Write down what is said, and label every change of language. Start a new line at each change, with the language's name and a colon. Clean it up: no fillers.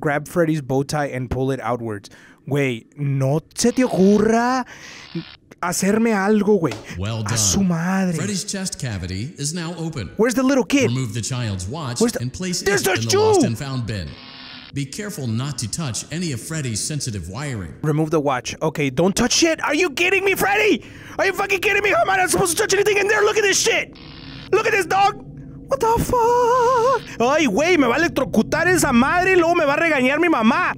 English: Grab Freddy's bow tie and pull it outwards. Wait,
Spanish: no se te ocurra hacerme algo, güey.
English: Well done.
Spanish: A su madre.
English: Freddy's chest cavity is now open. Where's the little kid? Remove the child's watch and place There's it in the Jew. Lost and found bin. Be careful not to touch any of Freddy's sensitive wiring. Remove the watch. Okay, don't touch shit. Are you kidding me, Freddy? Are you fucking kidding me? How am I not supposed to touch anything in there? Look at this shit. Look at this dog. What the fuck?
Spanish: Ay, güey, me va a electrocutar esa madre y luego me va a regañar mi mamá.